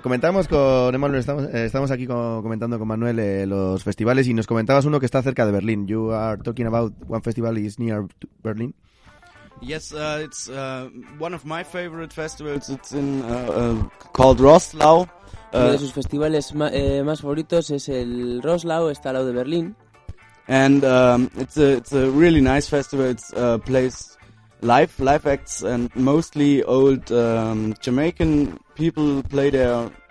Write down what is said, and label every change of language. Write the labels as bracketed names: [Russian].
[Spanish] Comentamos con Emanuel, estamos aquí comentando con Manuel los festivales, y nos comentabas uno que está cerca de Berlín. [English] You are talking about one festival is near Berlin. Yes, it's one of my favorite festivals. It's in called Roslau. [Spanish] Uno de sus festivales más favoritos es el Roslau, está al lado de Berlín. [English] And it's a really nice festival. It's plays live acts, and mostly old Jamaican people play there.